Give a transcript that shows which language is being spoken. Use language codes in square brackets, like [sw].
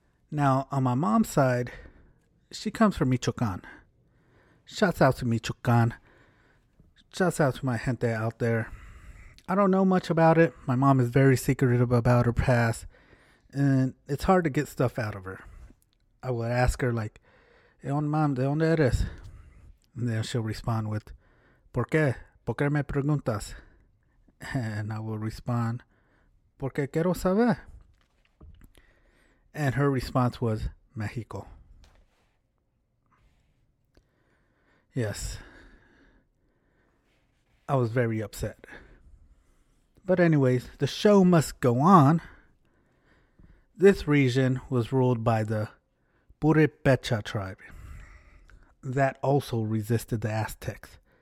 [en] Now, on my mom's side, she comes from Michoacan. Shouts out to Michoacan. Shouts out to my gente out there. I don't know much about it. My mom is very secretive about her past, and it's hard to get stuff out of her. I would ask her, like, [es] ¿Eh, mom, de dónde eres? [en] And then she'll respond with, [es] ¿Por qué? ¿Por qué me preguntas? [en] And I will respond, [es] ¿Porque quiero saber? [en] And her response was, Mexico. Yes. I was very upset. But anyways, the show must go on. This region was ruled by the Purépecha tribe that also resisted the Aztecs.